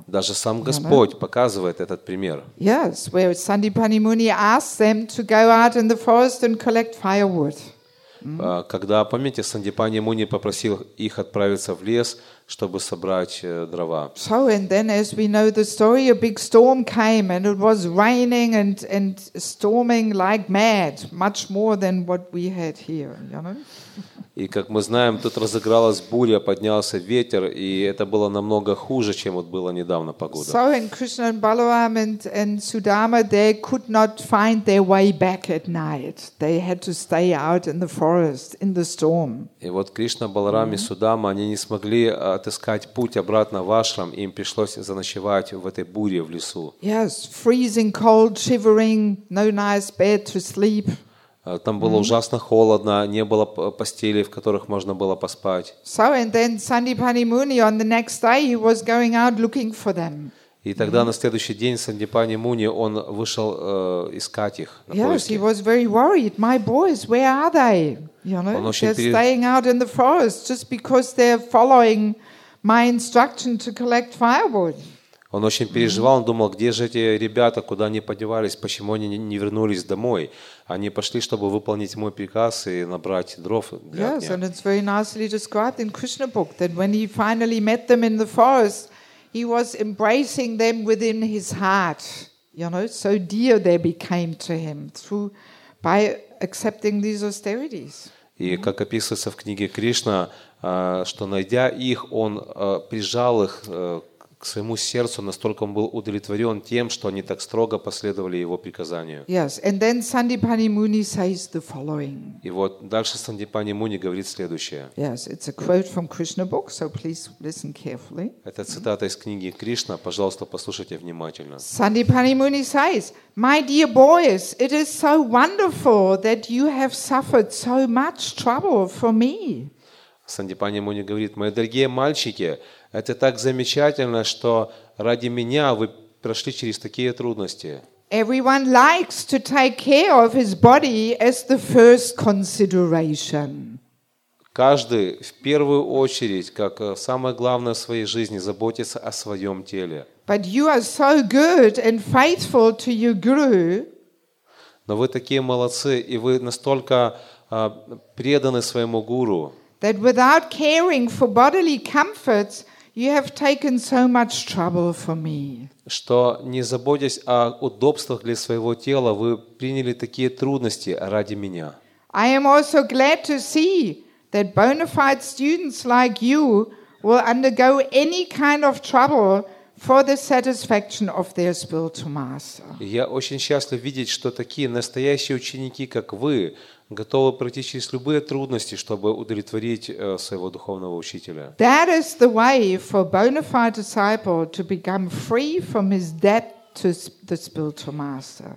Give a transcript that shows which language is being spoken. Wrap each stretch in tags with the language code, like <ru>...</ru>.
<ru>даже сам Господь показывает этот пример.</ru> <en>Yes, where Сандипани Муни asked them to go out in the forest and collect firewood.</en> <ru>Когда, помните, Сандипани Муни попросил их отправиться в лес, чтобы собрать дрова.</ru> <en>So and then, as we know the story, a big storm came and it was raining and storming like mad, much more than what we had here.</en> <ru>И как мы знаем, тут разыгралась буря, поднялся ветер, и это было намного хуже, чем вот было недавно погода.</ru> <en>So and Krishna and Balaram and Sudama, they could not find their way back at night. They had to stay out in the forest in the storm.</en> <ru>И вот Кришна, Баларам и Судама, они не смогли отыскать путь обратно в ашрам, им пришлось заночевать в этой буре в лесу.</ru> <en>Yes, freezing cold, shivering, no nice bed to sleep.</en> <ru>Там было ужасно холодно, не было постелей, в которых можно было поспать.</ru> <en>So and then Sandipani Muni on the next day he was going out looking for them.</en> <ru>И тогда на следующий день Сандипани Муни он вышел искать их.</ru> <en>Yes, he was very worried. My boys, where are they? You know, they're staying out in the forest just because they're following my instruction to collect firewood.</en> <ru>Он очень переживал, он думал, где же эти ребята, куда они подевались, почему они не вернулись домой. Они пошли, чтобы выполнить мой приказ и набрать дров для огня.</ru> <en>Yes, and it's very nicely described in Krishna book that when he finally met them in the forest, he was embracing them within his heart. You know, so dear they became to him through by accepting these austerities.</en> <ru>И как описывается в книге Кришна, что найдя их, он прижал их к своему сердцу, настолько он был удовлетворен тем, что они так строго последовали его приказанию.</ru> <en>Yes, and then Sandipani Muni says the following.</en> <ru>И вот дальше Сандипани Муни говорит следующее.</ru> <en>Yes, it's a quote from Krishna book, so please listen carefully.</en> <ru>Это цитата из книги Кришна, пожалуйста, послушайте внимательно.</ru> <en>Sandipani Muni says, "My dear boys, it is so wonderful that you have suffered so much trouble for me."</en> <ru>Сандипани Муни говорит: «Мои дорогие мальчики, это так замечательно, что ради меня вы прошли через такие трудности».</ru> <en>Everyone likes to take care of his body as the first consideration.</en> <ru>Каждый в первую очередь, как самое главное в своей жизни, заботится о своем теле.</ru> <en>But you are so good and faithful to your guru.</en> <ru>Но вы такие молодцы, и вы настолько преданы своему гуру.</ru> <en>That without caring for bodily comforts, you have taken so much trouble for me.</en> <ru>Что не заботясь о удобствах для своего тела, вы приняли такие трудности ради меня.</ru> <en>I am also glad to see that bona fide students like you will undergo any kind of trouble for the satisfaction of their spiritual master.</en> <ru>Я очень счастлив видеть, что такие настоящие ученики, как вы, готовы пройти через любые трудности, чтобы удовлетворить своего духовного учителя.</ru> <en>That is the way for bona fide disciple to become free from his debt to the spiritual master.</en>